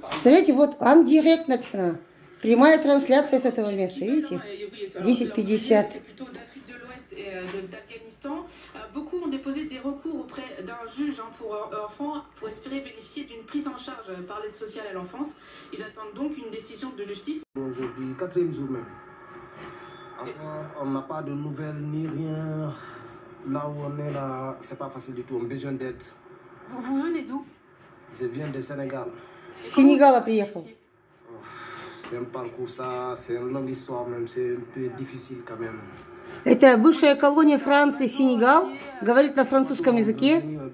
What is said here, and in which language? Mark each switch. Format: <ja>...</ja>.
<ru>Смотрите, вот он директ написано. Прямая трансляция с этого места, видите? 10:50.</ru> <fr>D'Afghanistan. Beaucoup ont déposé des recours auprès d'un juge pour enfants pour espérer bénéficier d'une prise en charge par l'aide sociale à l'enfance. Ils attendent donc une décision de justice. Aujourd'hui, quatrième jour même. Encore, on n'a pas de nouvelles ni rien. Là où on est, là, c'est pas facile du tout. On a besoin d'aide. Vous venez d'où? Je viens du Sénégal. Sénégal, à pire. C'est un parcours, ça. C'est une longue histoire, même. C'est un peu difficile quand même.</fr> <ru>Это бывшая колония Франции, Сенегал, говорит на французском языке.</ru>